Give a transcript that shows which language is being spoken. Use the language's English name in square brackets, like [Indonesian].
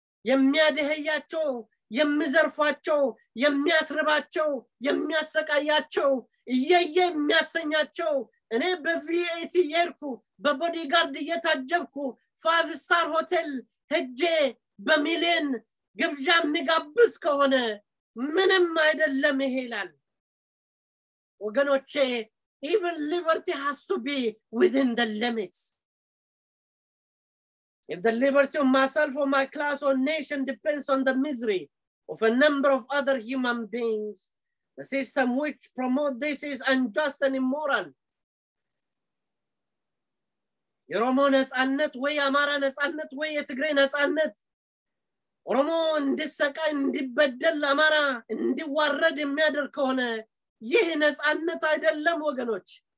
[Amharic] የሚያደህያቸው የሚዘርፋቸው የሚያስርባቸው የሚያሰቃያቸው እየየ የሚያሰኛቸው እኔ በቪኤቲ የርኩ በቦዲጋርድ እየታጀብኩ 5 ስታር ሆቴል ሄጄ በሚሊየን ግብዣ ምጋብስ ከሆነ ምንም አይደለም ይሄላል ወገኖቼ [English] even liberty has to be within the limits. If the liberty of myself or my class or nation depends on the misery of a number of other human beings, the system which promotes this is unjust and immoral. [Amharic] የኦሮሞ ነጻነት ወይ አማራ ነጻነት ወይ የትግራይ ነጻነት ኦሮሞ እንዲሰቃይ እንዲበደል አማራ እንዲዋረድ የሚያደርግ ከሆነ ይህ ነጻነት አይደለም ወገኖች